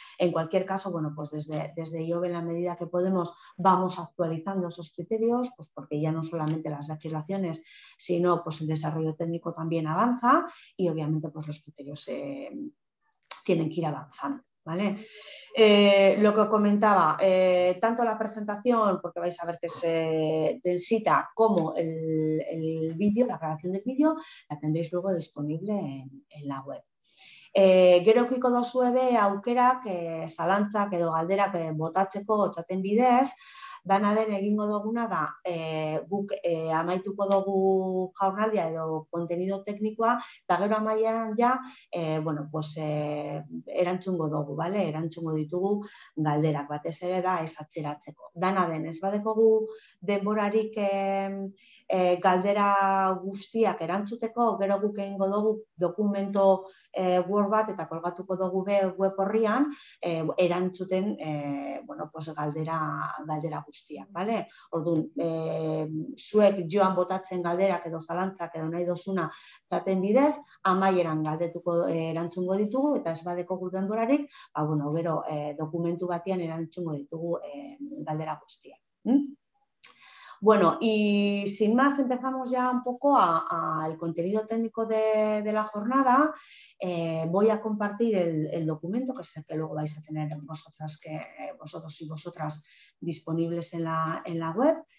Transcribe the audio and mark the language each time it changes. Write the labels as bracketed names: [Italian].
[Spanish] En cualquier caso, bueno, pues desde IOVE, en la medida que podemos, vamos actualizando esos criterios, pues porque ya no solamente las legislaciones, sino pues el desarrollo técnico también avanza y obviamente pues los criterios tienen que ir avanzando, ¿vale? Lo que comentaba, tanto la presentación, porque vais a ver que es densita, como el vídeo, la grabación del vídeo, la tendréis luego disponible en la web. [Basque] Gero ukiko dozue be aukerak, zalantzak edo galderak botatzeko txaten bidez, dana den egingo duguna da, guk amaituko dugu jaurnaldia edo kontenido teknikoa, eta gero amaieran ja, erantzungo dugu, bale? Erantzungo ditugu galderak, batez ere da ez atzeratzeko. Dana den, ez badekogu denborarik galdera guztiak erantzuteko, gero guk egingo dugu dokumento Word bat eta kolgatuko dugu web horrian erantzuten galdera guztiak, bale? Orduan, zuek joan botatzen galderak edo zalantzak edo nahi dozuna txaten bidez, amaieran galdetuko erantzungo ditugu eta ez badeko gurdan borarik, dokumentu batean erantzungo ditugu galdera guztiak. [Spanish] Bueno, y sin más empezamos ya un poco al contenido técnico de la jornada. Voy a compartir el documento, que es el que luego vais a tener vosotros y vosotras disponibles en la web.